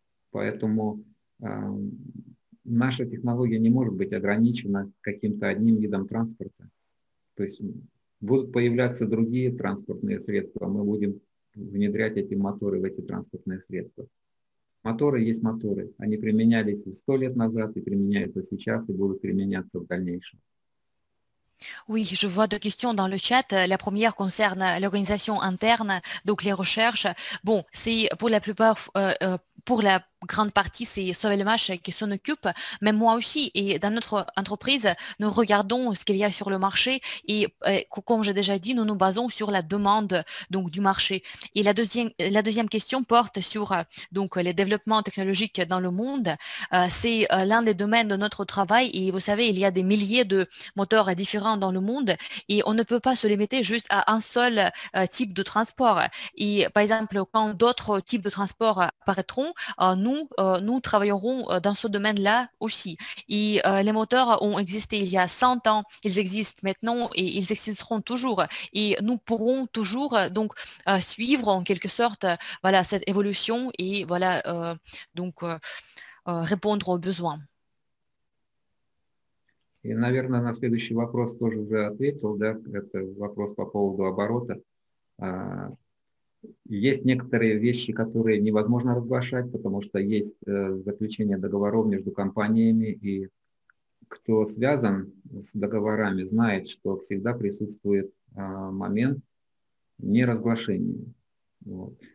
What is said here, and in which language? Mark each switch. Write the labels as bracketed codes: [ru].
[ru] Поэтому наша технология не может быть ограничена каким-то одним видом транспорта. То есть будут появляться другие транспортные средства, мы будем внедрять эти моторы в эти транспортные средства. Моторы есть моторы. Они применялись 100 лет назад и применяются сейчас и будут применяться в дальнейшем. [fr] Oui, je vois deux questions dans le chat. La première concerne l'organisation interne, donc les recherches. Bon, c'est pour la plupart, pour la grande partie, c'est Sauvé le Mâche qui s'en occupe, mais moi aussi. Et dans notre entreprise, nous regardons ce qu'il y a sur le marché et, comme j'ai déjà dit, nous nous basons sur la demande donc, du marché. Et la deuxième question porte sur donc, les développements technologiques dans le monde. C'est l'un des domaines de notre travail et vous savez, il y a des milliers de moteurs différents dans le monde et on ne peut pas se limiter juste à un seul type de transport. Et par exemple, quand d'autres types de transport apparaîtront, nous travaillerons dans ce domaine-là aussi. Et les moteurs ont existé il y a 100 ans, ils existent maintenant et ils existeront toujours. Et nous pourrons toujours donc suivre en quelque sorte voilà, cette évolution et voilà, donc, répondre aux besoins. [ru] Et, наверное, на следующий вопрос тоже уже ответил, да? Это вопрос по поводу оборота. Есть некоторые вещи, которые невозможно разглашать, потому что есть заключение договоров между компаниями, и кто связан с договорами, знает, что всегда присутствует момент неразглашения. Вот.